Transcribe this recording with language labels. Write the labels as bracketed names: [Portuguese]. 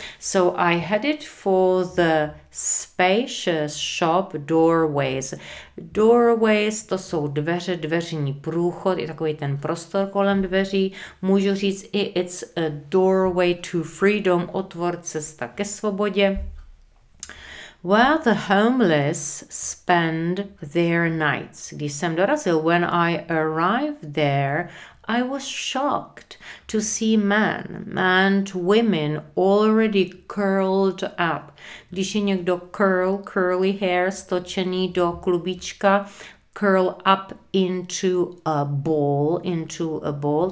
[English] So I headed for the spacious shop doorways. [Czech] Doorways, to jsou dveře, dveřní průchod, je takový ten prostor kolem dveří. Můžu říct i [English] it's a doorway to freedom, [Czech] otvor, cesta ke svobodě. [English] Where the homeless spend their nights. [Czech] Když jsem dorazil, [English] when I arrived there, I was shocked to see men and women already curled up. [Czech] Když je někdo [English] curl, curly hair, [Czech] stočený do klubička, [English] curl up into a ball, into a ball.